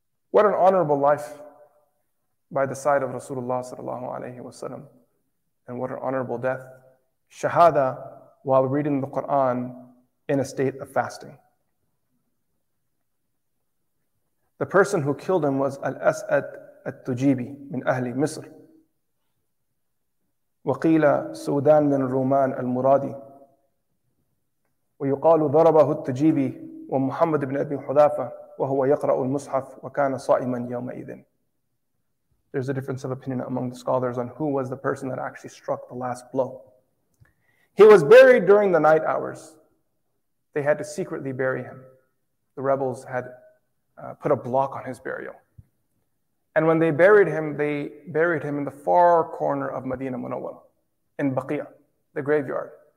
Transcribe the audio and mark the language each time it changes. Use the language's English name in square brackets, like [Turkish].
[English] What an honorable life by the side of Rasulullah sallallahu alayhi wa sallam. And what an honorable death. Shahada while reading the Quran in a state of fasting. The person who killed him was Al-As'ad al-Tujibi [Arabic] min Ahli Misr. وقيل سودان من الرومان المرادي ويقال ضربه التجيبي ومحمد بن أبي حذافة وهو يقرأ المصحف وكان صائما يومئذ. [English] There's a difference of opinion among the scholars on who was the person that actually struck the last blow. He was buried during the night hours. They had to secretly bury him. The rebels had put a block on his burial. And when they buried him, they buried him in the far corner of Medina Munawwara, in Baqiya, the graveyard.